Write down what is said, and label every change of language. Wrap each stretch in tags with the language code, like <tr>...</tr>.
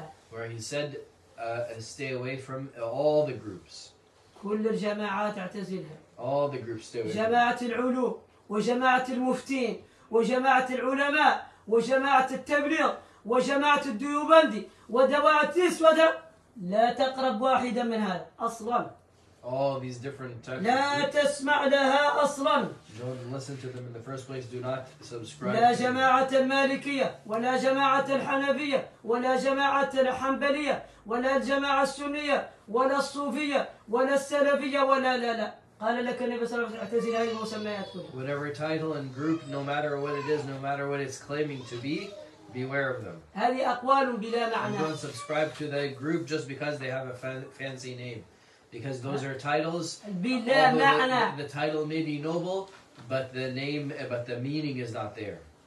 <en>Where he said, stay away from all the groups.</en> <ar>كل الجماعات اعتزلها.</ar> <en>All the groups stay away.</en> <ar>جماعة العلوم وجماعة المفتين وجماعة العلماء وجماعة التبليغ وجماعة الديوبندي ودواعيس ودا لا تقرب واحدا من هذا أصلا.</ar> <en>All these different types.</en> <ar>لا تسمع لها أصلا.</ar> <en>Don't listen to them in the first place. Do not subscribe.</en> <ar>لا جماعة المالكية ولا جماعة الحنفية ولا جماعة الحنبلية ولا الجماعة السنية ولا الصوفية ولا السلفية ولا لا لا. قال لك النبي صلى الله عليه وسلم اعتزل هذه المسميات كلها.</ar> <en>Whatever title and group, no matter what it is, no matter what it's claiming to be, beware of them.</en> <ar>هذه أقوال بلا معنى.</ar> <en>Don't subscribe to that group just because they have a fancy name. Because those are titles, the title may be noble, but the name, but the meaning is not there.</en>